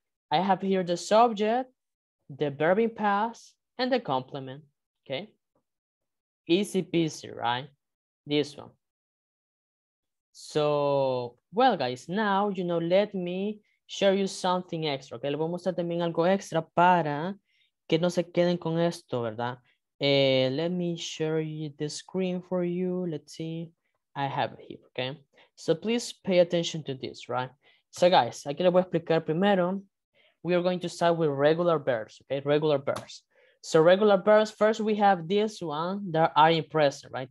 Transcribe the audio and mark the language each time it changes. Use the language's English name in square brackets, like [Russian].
[English] I have here the subject, the verb in past, and the complement, okay? Easy peasy, right? This one. So, well, guys, now, you know, let me share you something extra, okay? [Spanish] Le voy a mostrar también algo extra para que no se queden con esto, ¿verdad? [English] Let me share you the screen for you. Let's see. I have it here, okay? So please pay attention to this, right? [Spanish] So guys, aquí le voy a explicar primero. [English] We are going to start with regular verbs, okay? Regular verbs. So regular verbs, first we have this one that are in present, right?